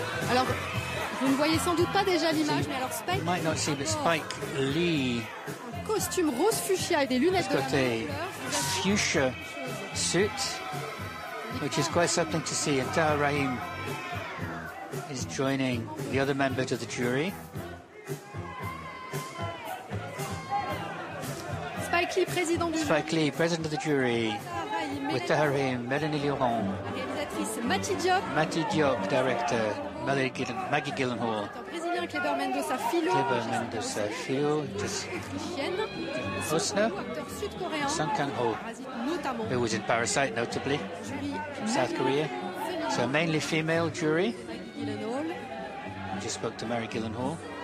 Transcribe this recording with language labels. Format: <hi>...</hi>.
<fr>Alors, vous ne voyez sans doute pas déjà l'image, mais alors Spike.</fr> <en>You might not see, but Spike Lee.</en> <fr>Un costume rose fuchsia et des lunettes de la même couleur.</fr> <en>Fuchsia suit, which is quite something to see. And Tahar Rahim is joining the other members of the jury.</en> <fr>Spike Lee, président du</fr> <en>Spike Lee, president of the jury, with Tahar Rahim, Mélanie Laurent,</en> <fr>réalisatrice Mati Diop,</fr> <en>director, Maggie Gyllenhaal. Kleber Mendoza Filho, Kleber Mendoza Filho, Jessica Osner, Sung Kang Ho, who was in Parasite notably, South Korea. So, mainly female jury. I just spoke to Mary Gyllenhaal.</en>